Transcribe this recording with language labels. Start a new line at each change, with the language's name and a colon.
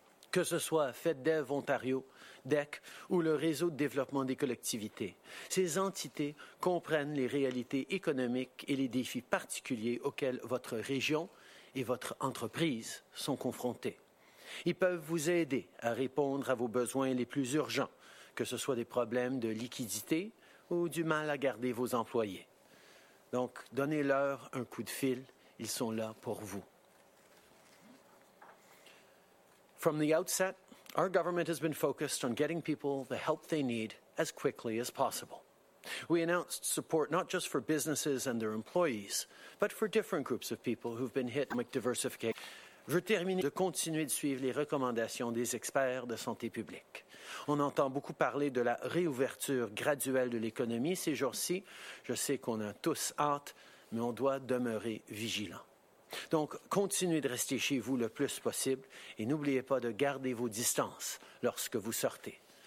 French: Que ce soit FedDev Ontario, DEC ou le Réseau de développement des collectivités, ces entités comprennent les réalités économiques et les défis particuliers auxquels votre région et votre entreprise sont confrontés. Ils peuvent vous aider à répondre à vos besoins les plus urgents, que ce soit des problèmes de liquidité ou du mal à garder vos employés. Donc, donnez-leur un coup de fil, ils sont là pour vous.
English: From the outset, our government has been focused on getting people the help they need as quickly as possible. We announced support not just for businesses and their employees, but for different groups of people who've been hit with diversification.
French: Je termine de continuer de suivre les recommandations des experts de santé publique. On entend beaucoup parler de la réouverture graduelle de l'économie ces jours-ci. Je sais qu'on a tous hâte, mais on doit demeurer vigilant. Donc, continuez de rester chez vous le plus possible et n'oubliez pas de garder vos distances lorsque vous sortez.